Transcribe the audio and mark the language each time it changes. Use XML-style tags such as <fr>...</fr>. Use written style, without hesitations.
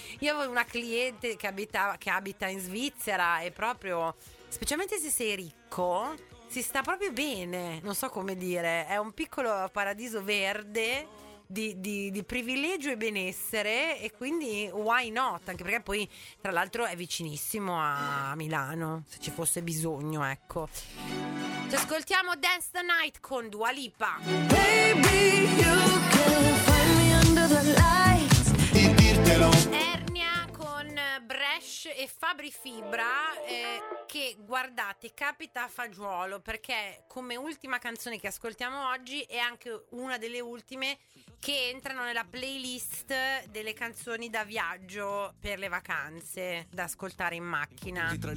<it>Io avevo una cliente che abita in Svizzera, e proprio, specialmente se sei ricco, si sta proprio bene, non so come dire, è un piccolo paradiso verde di privilegio e benessere, e quindi</it> <en>why not,</en> <it>anche perché poi tra l'altro è vicinissimo a Milano se ci fosse bisogno, ecco. Ci ascoltiamo Dance the Night con Dua Lipa.</it> <en>Baby, you can find me under the lights.</en> <it>Di dirtelo. Ernia con Bresh e Fabri Fibra, che guardate, capita a fagiolo, perché come ultima canzone che ascoltiamo oggi è anche una delle ultime che entrano nella playlist delle canzoni da viaggio per le vacanze da ascoltare in macchina.</it>